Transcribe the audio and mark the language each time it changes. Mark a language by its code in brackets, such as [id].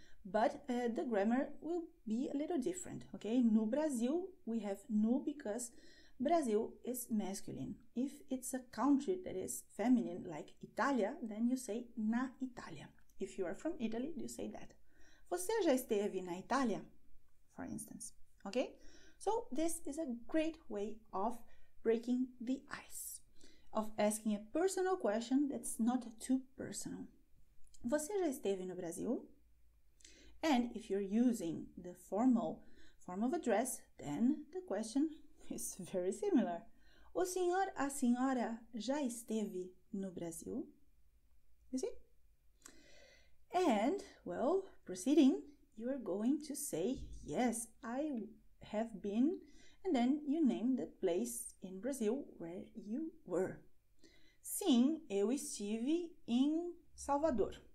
[en] But the grammar will be a little different, okay? [pt] No Brasil, [en] we have no because Brazil is masculine. If it's a country that is feminine, like Italia, then you say [pt] na Italia. [en] If you are from Italy, you say that. [pt] Você já esteve na Itália, [en] for instance, okay? So this is a great way of breaking the ice, of asking a personal question that's not too personal. [pt] Você já esteve no Brasil? [en] And if you're using the formal form of address, then the question is very similar. [pt] O senhor, a senhora já esteve no Brasil? [en] You see? And, well, proceeding, you're going to say, yes, I have been, and then you name the place in Brazil where you were. [pt] Sim, eu estive em Salvador.